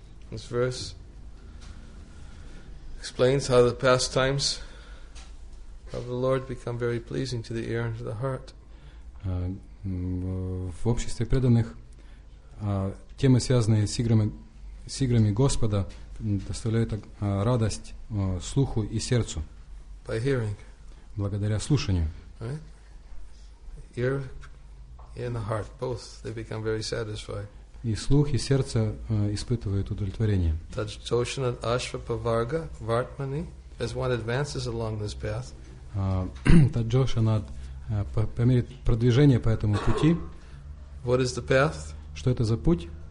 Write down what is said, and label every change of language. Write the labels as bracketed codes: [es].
[en] This verse explains how the pastimes of the Lord become very pleasing to the ear and to the heart. [ru] В обществе преданных темы, связанные с играми, Господа, доставляют радость слуху и сердцу. [en] By hearing. [ru] Благодаря слушанию. [en] Right? Ear and the heart, both, they become very satisfied. [ru] И слух, и сердце испытывают удовлетворение. [sa] Таджошанад-ашва-паварга, вартмани, [en] as one advances along this path. [ru] Таджошанад, по мере продвижения по этому пути. [en] What is the path? [ru] Что это за путь?